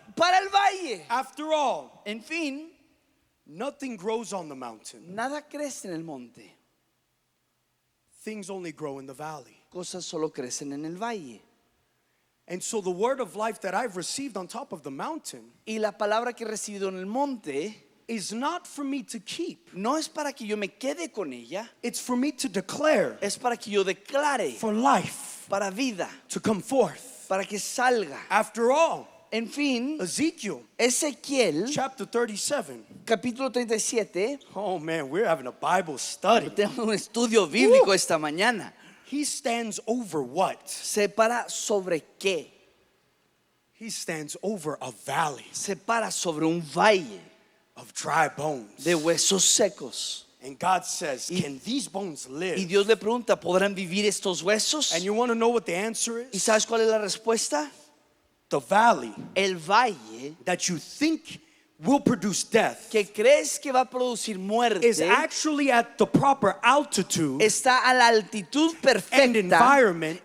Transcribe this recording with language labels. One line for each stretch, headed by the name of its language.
Spanish: Para el valle.
English: After all,
Spanish: en fin,
English: nothing grows on the mountain.
Spanish: Nada crece en el monte.
English: Things only grow in the valley.
Spanish: Cosas solo crecen en el valle.
English: And so the word of life that I've received on top of the mountain,
Spanish: y la palabra que he recibido en el monte,
English: is not for me to keep.
Spanish: No es para que yo me quede con ella.
English: It's for me to declare.
Spanish: Es para que yo declare.
English: For life.
Spanish: Para vida.
English: To come forth.
Spanish: Para que salga.
English: After all,
Spanish: en fin,
English: Ezekiel,
Spanish: Ezequiel,
English: chapter 37,
Spanish: capítulo 37.
English: Oh man, we're having a Bible study.
Spanish: Tenemos un estudio bíblico esta mañana.
English: He stands over what?
Spanish: Se para sobre qué?
English: He stands over a valley.
Spanish: Se para sobre un valle.
English: Of dry bones.
Spanish: De huesos secos.
English: And God says, can these bones live?
Spanish: Y Dios le pregunta, ¿podrán vivir estos huesos?
English: And you want to know what the answer is?
Spanish: ¿Y sabes cuál es la respuesta?
English: The valley,
Spanish: el valle,
English: that you think will produce death,
Spanish: que crees que va a producir muerte,
English: is actually at the proper altitude,
Spanish: está a la altitud perfecta,
English: and environment,